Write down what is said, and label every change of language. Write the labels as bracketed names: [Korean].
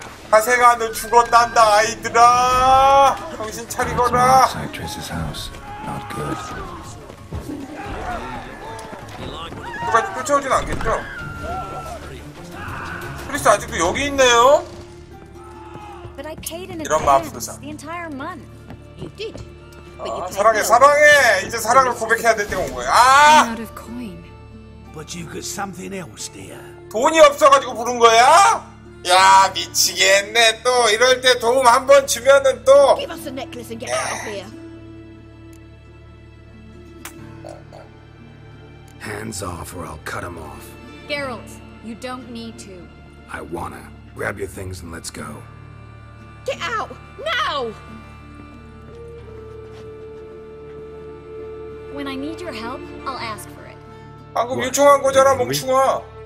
[Korean] 사생아는 죽었단다, 아이들아. 정신 차리거라. 누가 쫓아오진 않겠죠? 트리스 아직도 여기 있네요. [English] But I paid in advance the entire month. You did. But you [Korean] 아, 사랑해, 사랑해. 이제 사랑을 고백해야 될 때가 온 거야. 아! [English] But you got something else, dear. [Korean] 돈이 없어가지고 부른 거야? 야, 미치겠네. 또 이럴 때 도움 한번 주면은 또. [English] Give us the necklace and get out of here. Hands off, or I'll cut him off. Geralt, you don't need to. I wanna. Grab your things and let's go. Get out! Now! When I need your help, I'll ask for it. [Korean] 방금 요청한 거잖아, 멍충아!